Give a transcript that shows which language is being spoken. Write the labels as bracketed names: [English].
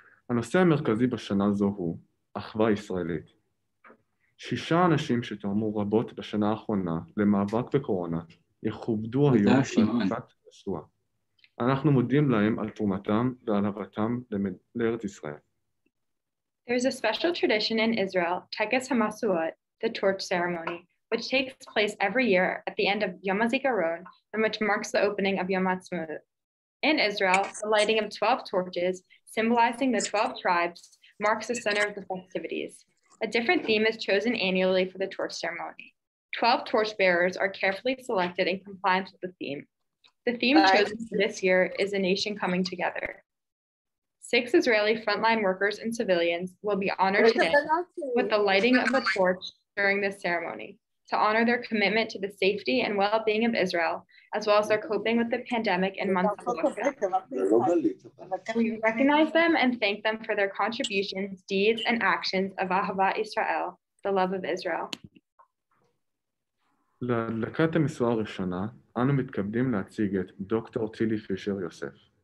[Hebrew] הנושא המרכזי בשנה זו הוא אחווה ישראלית. 6 אנשים שתרמו רבות בשנה האחרונה למאבק בקורונה, יכובדו היום בחגיגת משואה. אנחנו מודים להם על תרומתם ועל אהבתם לארץ ישראל. [English] There is a special tradition in Israel, Tekes HaMasuot, the torch ceremony, which takes place every year at the end of Yom HaZikaron and which marks the opening of Yom HaTzmaut. In Israel, the lighting of 12 torches, symbolizing the 12 tribes, marks the center of the festivities. A different theme is chosen annually for the torch ceremony. 12 torchbearers are carefully selected in compliance with the theme. The theme chosen for this year is a nation coming together. 6 Israeli frontline workers and civilians will be honored today with the lighting of a torch during this ceremony to honor their commitment to the safety and well-being of Israel, as well as their coping with the pandemic in months of lockdown. We recognize them and thank them for their contributions, deeds, and actions of Ahava Israel, the love of Israel. [Hebrew] להדלקת המשואה הראשונה, אנו מתכבדים להציג את דוקטור טילי פישר יוסף.